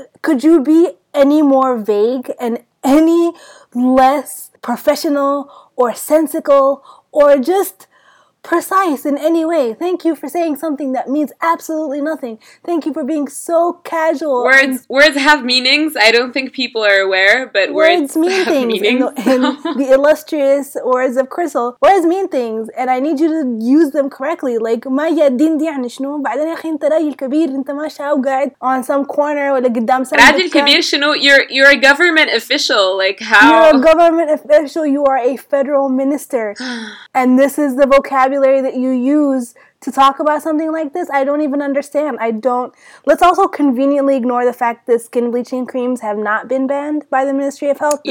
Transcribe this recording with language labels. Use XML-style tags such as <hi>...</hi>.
<en>Could you be any more vague and any less professional or sensical or just precise in any way? Thank you for saying something that means absolutely nothing. Thank you for being so casual. Words have meanings. I don't think people are aware, but words mean have things meanings. In the illustrious words of Crystal, words mean things, and I need you to use them correctly.</en> <ar>Like ما يدين دي يعني شنو؟ بعدين يا أخي أنت راجل كبير أنت ما شاء وقاعد</ar> <en>on some corner</en> <ar>ولا قدام سامي. راجل كبير شنو؟</ar> <en>You're a government official. Like how? You're a government official. You are a federal minister, and this is the vocabulary that you use to talk about something like this. I don't even understand. Let's also conveniently ignore the fact that skin bleaching creams have not been banned by the Ministry of Health, the</en>